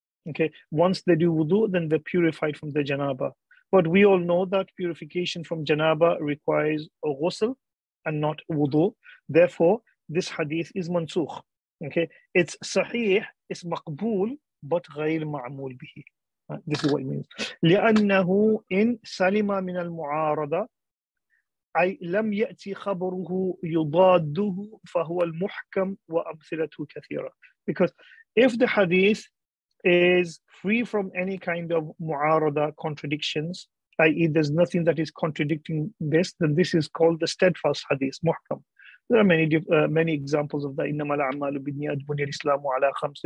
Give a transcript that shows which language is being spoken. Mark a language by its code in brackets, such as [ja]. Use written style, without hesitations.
[en] Okay, once they do wudu, then they're purified from the janaba. But we all know that purification from janaba requires a ghusl and not wudu. Therefore, this hadith is mansukh. Okay, it's sahih, it's maqbool, but [ar] غير معمول به. [en] This is what it means. [ar] لأنه إن سلم من المعارضة أي لم يأتي خبره يضاده فهو المحكم وأمثلته كثيرة. [en] Because if the hadith is free from any kind of معارضة contradictions, i.e. there's nothing that is contradicting this, then this is called the steadfast hadith, محكم. There are many examples of that. [ar] Innama al-amalu bi-niyyat buniya al-islamu ala khams.